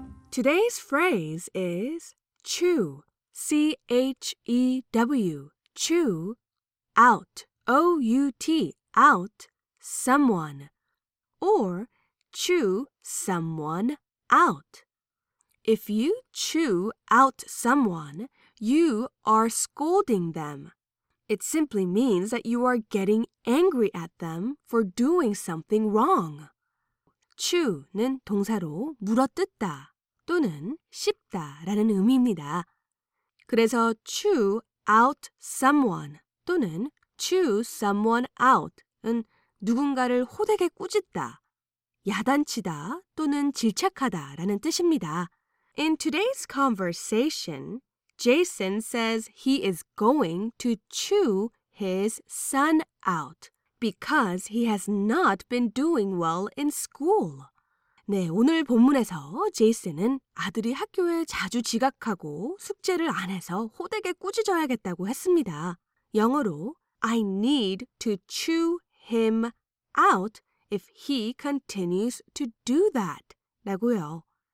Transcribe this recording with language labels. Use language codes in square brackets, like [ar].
[en] Today's phrase is chew, C-H-E-W, chew, out, O-U-T, out, someone, or chew someone out. If you chew out someone, you are scolding them. It simply means that you are getting angry at them for doing something wrong. [ko] Chew는 동사로 물어뜯다 또는 씹다 라는 의미입니다. 그래서 chew out someone 또는 chew someone out은 누군가를 호되게 꾸짖다, 야단치다 또는 질책하다 라는 뜻입니다. [en] In today's conversation, Jason says he is going to chew his son out because he has not been doing well in school. [ko] 네, 오늘 본문에서 제이슨은 아들이 학교에 자주 지각하고 숙제를 안 해서 호되게 꾸짖어야겠다고 했습니다. 영어로 [en] I need to chew him out if he continues to do that [ko] 라고요.